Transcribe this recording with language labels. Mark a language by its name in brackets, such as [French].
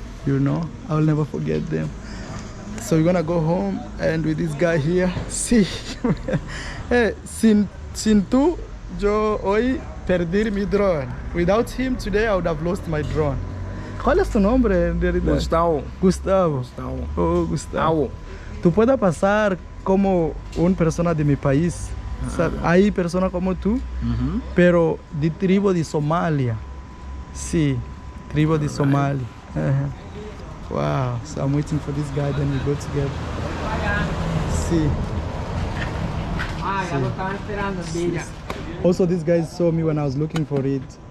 [English] You know, I'll never forget them. So we're gonna go home, and with this guy here, see, hey, [Spanish] sin tu, yo hoy perdí mi drone. [English] Without him today, I would have lost my drone. [Spanish] ¿Cuál es tu nombre? Gustavo. Oh, Gustavo. Tú puedes pasar como una persona de mi país. Hay personas como tú, pero de tribu de Somalia. Sí, tribu de Somalia. [English] Wow, so I'm waiting for this guy, then we go together. See. Also, this guy saw me when I was looking for it.